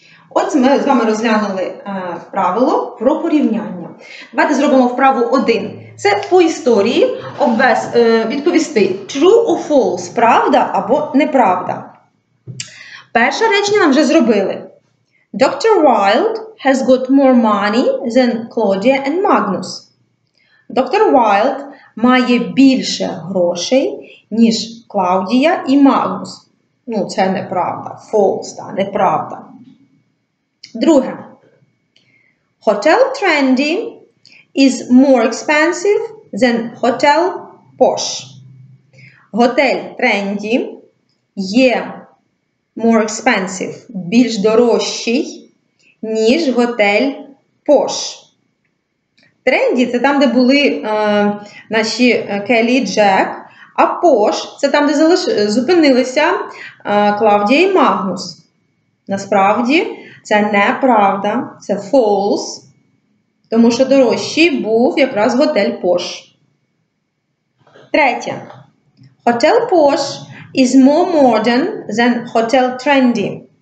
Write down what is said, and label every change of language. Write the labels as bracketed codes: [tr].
[uk] От ми з вами розглянули правило про порівняння. Давайте зробимо вправу 1. Це по історії відповісти [en] true or false, [uk] правда або неправда. Перше речення нам вже зробили. [en] Dr. Wilde has got more money than Claudia and Magnus. Dr. [uk] Wilde має більше грошей, ніж Клаудія і Магнус. Ну, це неправда. [en] False, [uk] та неправда. Друге. [en] Hotel Trendy is more expensive than Hotel Posh. [uk] Готель Trendy є [en] more expensive, [uk] більш дорожчий, ніж готель Posh. Trendy – це там, де були наші Келі і Джек, а Posh – це там, де зупинилися Клавдія і Магнус. Насправді, це неправда, це [en] false, [uk] тому що дорожчий був якраз готель Posh. Третє. [en] Hotel Posh is more modern than Hotel Trendy.